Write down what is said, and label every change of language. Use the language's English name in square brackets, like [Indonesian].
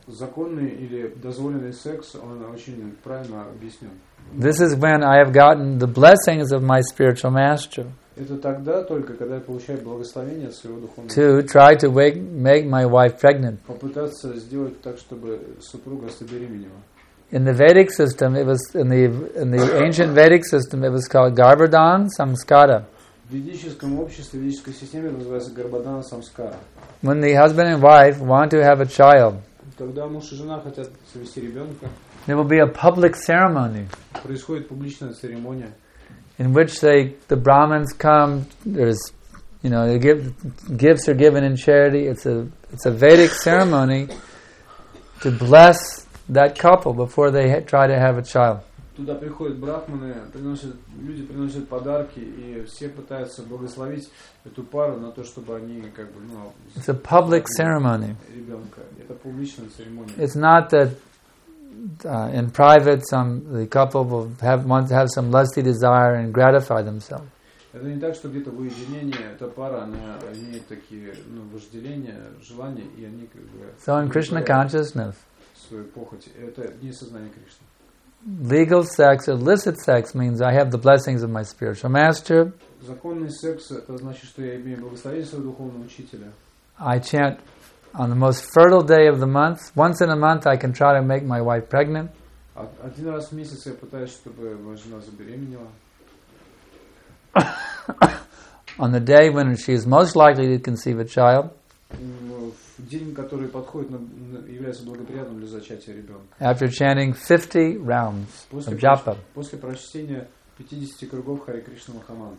[English] This is when I have gotten the blessings of my spiritual master. [Russian] Это тогда только, когда я получаю благословение своего духовного. [English] To try to make my wife pregnant. [Russian] Попытаться сделать так, чтобы супруга забеременела. [English] In the Vedic system, it was in the ancient Vedic system, it was called Garbhadhan Samskara. [Russian] В ведическом обществе, в ведической системе называется Garbhadhan Samskara. [English] When the husband and wife want to have a child. [Russian] Когда муж и жена хотят завести ребенка. [English] There will be a public ceremony. [Russian] Происходит публичная церемония. [English] In which the Brahmins come, there's, you know, gifts are given in charity. It's a Vedic ceremony to bless that couple before they try to have a child. [Russian] Туда приходят брахманы, люди приносят подарки, и все пытаются благословить эту пару на то, чтобы они как бы, ну. [English] It's a public ceremony. [Russian] Ребенка. Это публичная церемония. [English] It's not that. In private, the couple will want to have some lusty desire and gratify themselves. [Russian] Это не так, что где-то в уединении эта пара, она имеет такие, ну, вожделения, желания, и они как бы. [English] So in Krishna consciousness. [Russian] Свою похоть. Это не сознание Кришны. [English] Legal sex, illicit sex, means I have the blessings of my spiritual master. [Russian] Законный секс это значит, что я имею благословение своего духовного учителя. [English] I chant. On the most fertile day of the month, once in a month, I can try to make my wife pregnant. [Russian] Один раз в месяц я пытаюсь, чтобы моя жена забеременела. [English] On the day when she is most likely to conceive a child. [Russian] В день, который подходит, является благоприятным для зачатия ребенка. [English] After chanting 50 rounds of japa. [Russian] После прочтения 50 кругов Хари Кришна Махамантры.